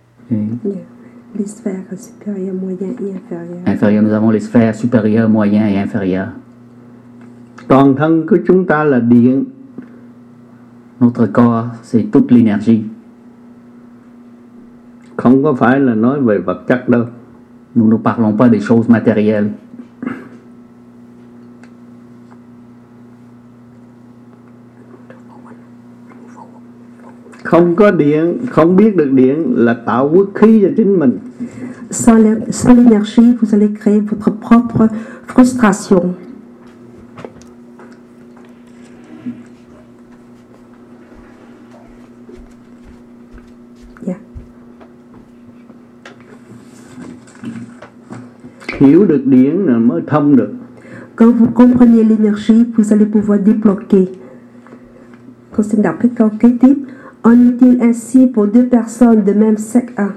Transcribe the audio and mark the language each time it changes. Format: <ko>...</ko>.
<fr>Les sphères supérieures, moyennes et inférieures. Inférieures, nous avons les sphères supérieures, moyennes et inférieures.</fr> <vi>Toàn thân của chúng ta là điện.</vi> <fr>Notre corps, c'est toute l'énergie.</fr> <vi>Không có phải là nói về vật chất đâu.</vi> <fr>Nous ne parlons pas des choses matérielles.</fr> <vi>Không có điện, không biết được điện là tạo quốc khí cho chính mình.</vi> <fr>Sans l'énergie, vous allez créer votre propre frustration. Yeah.</fr> <vi>Hiểu được điện là mới thông được.</vi> <fr>Quand vous comprenez l'énergie, vous allez pouvoir débloquer. Quand c'est d'après</fr> <vi>câu kế tiếp.</vi> <fr>En est-il ainsi pour deux personnes de même sexe?</fr>